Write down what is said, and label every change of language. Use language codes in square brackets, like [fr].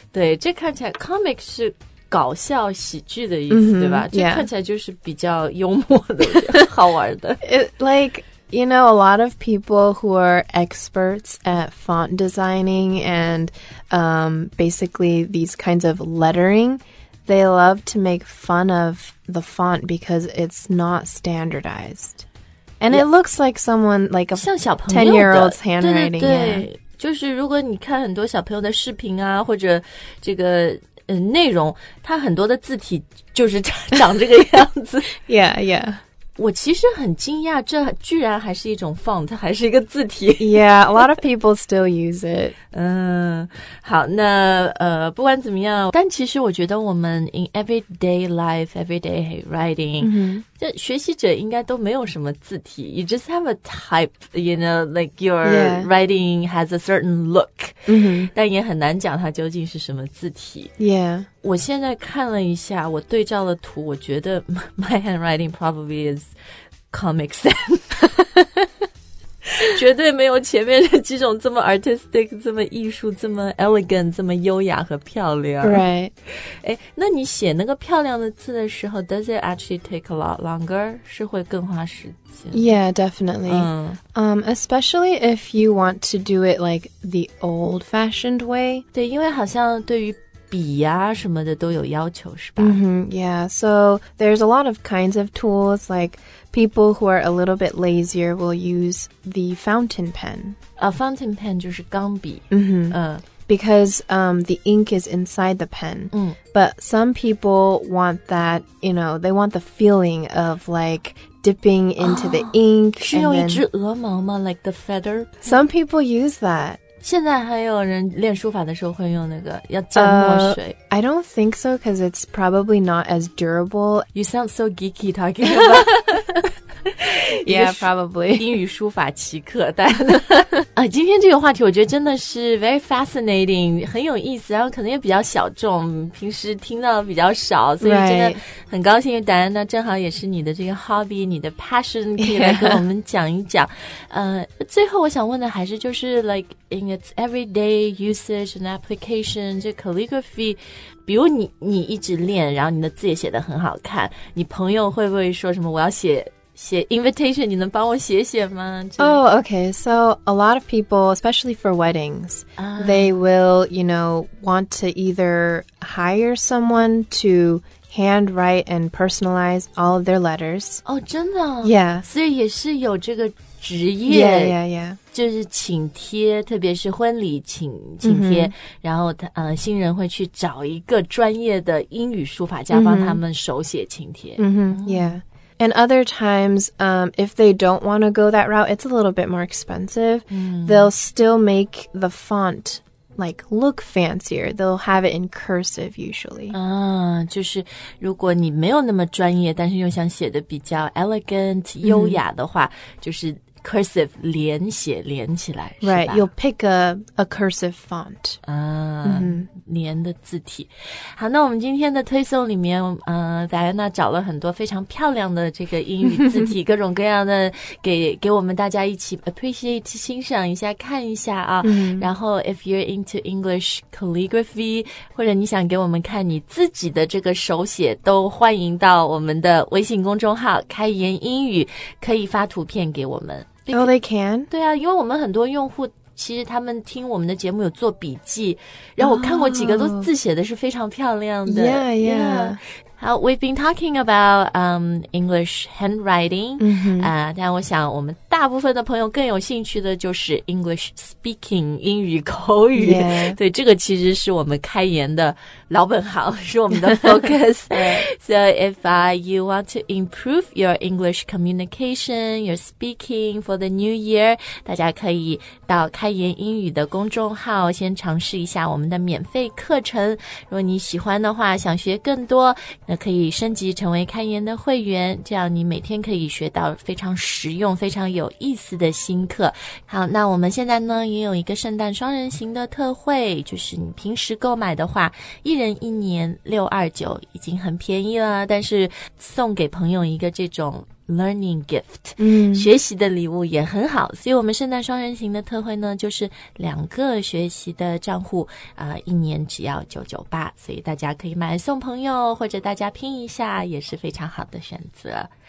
[zh] 对这看起来 Comic 是搞笑喜剧的意思、mm-hmm. 对吧这看起来就是比较幽默的好玩的 [en] You know, a lot of people who are experts at font designing and、basically these kinds of lettering, they love to make fun of the font because it's not standardized. And、yeah. it looks like someone, like a [zh] 像小朋友 [en] 10-year-old's handwriting. [zh] 对对对、 [en] yeah. [zh] 就是如果你看很多小朋友的视频啊或者这个、内容它很多的字体就是长这个样子。 [en] yeah, yeah. [zh] 我其实很惊讶这居然还是一种 font, 还是一个字体。 [en] Yeah, a lot of people still use it. [zh] 好那不管怎么样但其实我觉得我们 [en] in everyday life, everyday writing,、 mm-hmm. [zh] 这学习者应该都没有什么字体。 [en] You just have a type, you know, like your、 yeah. writing has a certain look.、 Mm-hmm. [zh] 但也很难讲它究竟是什么字体。 [en] Yeah. [zh] 我现在看了一下我对照了图我觉得 [en] my handwriting probably is Comic Sans [zh] 绝对没有前面的几种这么 artistic 这么艺术这么 elegant 这么优雅和漂亮 [en] Right [zh] 那你写那个漂亮的字的时候 [en] Does it actually take a lot longer [zh] 是会更花时间 [en] Yeah definitely、Especially if you want to do it like the old fashioned way [zh] 对因为好像对于笔啊什么的都有要求是吧、 [en] mm-hmm, Yeah, so there's a lot of kinds of tools, like people who are a little bit lazier will use the fountain pen. A fountain pen [zh] 就是钢笔、 [en] mm-hmm. Because the ink is inside the pen.、 Mm. But some people want that, you know, they want the feeling of like dipping into、oh, the ink. [zh] 是用一只鹅毛吗 [en] like the feather?、Pen? Some people use that. [zh] 现在还有人练书法的时候会用那个要蘸墨水。 [en] I don't think so, because it's probably not as durable. You sound so geeky talking about. yeah, probably. [zh] 英语书法奇客，但今天这个话题我觉得真的是 [en] very fascinating, [zh] 很有意思，然后可能也比较小众，平时听到比较少，所以真的很高兴，因为戴安娜正好也是你的这个 hobby, 你的 passion, 可以来跟我们讲一讲。最后我想问的还是就是 like, [en] In its everyday usage and application, [zh] 这 calligraphy, 比如你一直练，然后你的字也写得很好看，你朋友会不会说什么我要写 invitation, 你能帮我写写吗？ [en] Oh, okay. So a lot of people, especially for weddings, they will, you know, want to either hire someone to... hand write and personalize all of their letters. Oh, [zh] 真的? [en] Yeah. [zh] 所以也是有这个职业。 [en] Yeah, yeah, yeah. [zh] 就是请帖,特别是婚礼请帖,然后新人会去找一个专业的英语书法家帮他们手写请帖。 [en] Yeah. And other times, if they don't want to go that route, it's a little bit more expensive. They'll still make the font like look fancier. They'll have it in cursive usually. [zh] 就是如果你没有那么专业，但是又想写的比较 elegant、mm-hmm. 优雅的话，就是 cursive 连写连起来。 [en] Right, you'll pick a cursive font. [zh] 连的字体。好，那我们今天的推送里面，戴安娜找了很多非常漂亮的这个英语字体，各种各样的给我们大家一起 appreciate 欣赏一下，看一下啊。然后 ， [en] if you're into English calligraphy， [zh] 或者你想给我们看你自己的这个手写，都欢迎到我们的微信公众号"开言英语"，可以发图片给我们。 [en] Oh, they can. [zh] 对啊，因为我们很多用户。其实他们听我们的节目有做笔记，然后我看过几个都字写的是非常漂亮的。 [en] Yeah, yeah. Yeah. How we've been talking about English handwriting. [zh] 但我想我们大部分的朋友更有兴趣的就是 [en] English speaking [zh] 英语口语。 [en] Yeah. [zh] 对，这个其实是我们开言的老本行，是我们的 focus. [en] So if you want to improve your English communication, your speaking for the new year, [zh] 大家可以到开言英语的公众号先尝试一下我们的免费课程。如果你喜欢的话，想学更多，那可以升级成为开言的会员，这样你每天可以学到非常实用、非常有意思的新课。好，那我们现在呢也有一个圣诞双人行的特惠，就是你平时购买的话，一人一年629已经很便宜了，但是送给朋友一个这种 [en] learning gift, [zh] 学习的礼物也很好，所以我们圣诞双人行的特惠呢就是两个学习的账户，一年只要998，所以大家可以买送朋友或者大家拼一下也是非常好的选择。